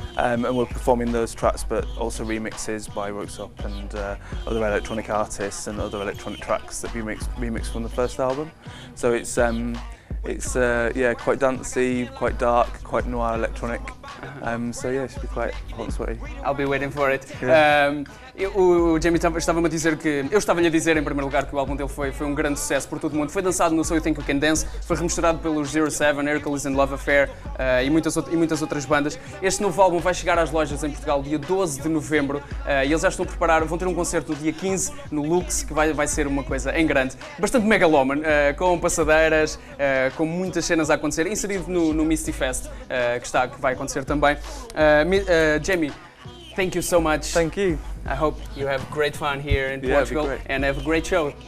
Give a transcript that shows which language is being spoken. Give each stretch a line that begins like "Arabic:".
English: And we're performing those tracks, but also remixes by Roxop and other electronic artists and other electronic tracks that remixed from the first album. So It's quite dancey, quite dark, quite noir electronic. So yeah, it should be quite hot and sweaty. I'll be waiting for it. Yeah.
Portuguese: O Jamie estava-me a dizer que... Eu estava-lhe a dizer, em primeiro lugar, que o álbum dele foi um grande sucesso por todo o mundo. Foi dançado no So You Think You Can Dance, foi remasterado pelo 07, Hercules and Love Affair e muitas outras bandas. Este novo álbum vai chegar às lojas em Portugal dia 12 de novembro e eles já estão a preparar, vão ter um concerto no dia 15 no Lux, que vai ser uma coisa em grande. Bastante megaloman, com passadeiras, com muitas cenas a acontecer, inserido no Misty Fest, que vai acontecer também.
English: Jamie, thank you so much. Thank you. I hope you have great fun here in Portugal and have a great show.